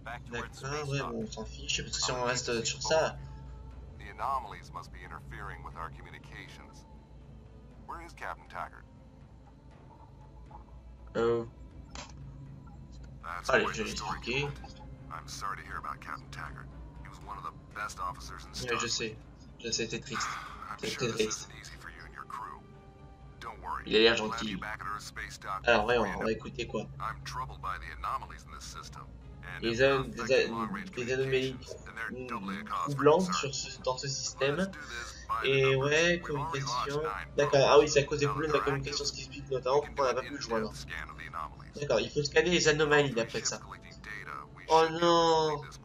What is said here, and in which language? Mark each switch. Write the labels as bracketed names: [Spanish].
[French] D'accord, ouais, bon, on s'en fiche. Je sais pas si on reste sur ça. Les anomalies doivent interférer avec nos communications. Où est Captain Taggart? Allez, je vais expliquer. [English] I'm sorry to hear about Captain Taggart. He was one of the best officers in Starfleet. [French] Yeah, je sais, c'était triste. [English] I'm sure this isn't easy for you and your crew. Don't worry. [French] Il a l'air gentil. Alors, ouais, on va écouter quoi. [English] I'm troubled by the anomalies in this system. [French] Les anomalies troublantes dans ce système. Et ouais, communication. D'accord, ah oui, c'est à cause des problèmes de la communication, ce qui explique notamment pourquoi on n'a pas pu jouer. D'accord, il faut scanner les anomalies d'après ça. Oh non!